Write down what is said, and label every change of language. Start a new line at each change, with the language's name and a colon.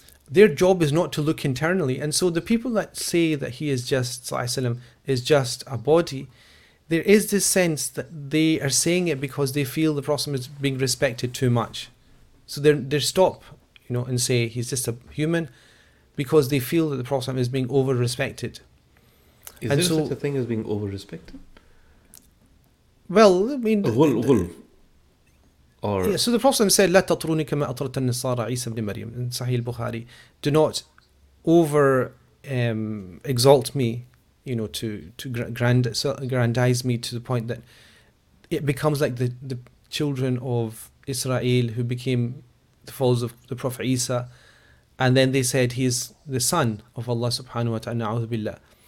English: Their job is not to look internally. And so the people that say that he is just, sallallahu alayhi wa sallam, is just a body, there is this sense that they are saying it because they feel the Prophet is being respected too much. So they stop, you know, and say he's just a human because they feel that the Prophet is being over-respected. Is and there so, such a thing as being over-respected? Well, I mean...
Arabic: Ghul.
English: So the Prophet said,
Arabic: لَا تَطْرُونِ كَمَا أَطْرَتَ النَّصَارَ عِيسَى بْنِ مَرْيَمْ
English: in Sahih al-Bukhari. Do not over exalt me, you know, to grandize me to the point that it becomes like the children of Israel who became the followers of the Prophet Isa, and then they said he is the son of Allah subhanahu wa ta'ala, na'udhu billah.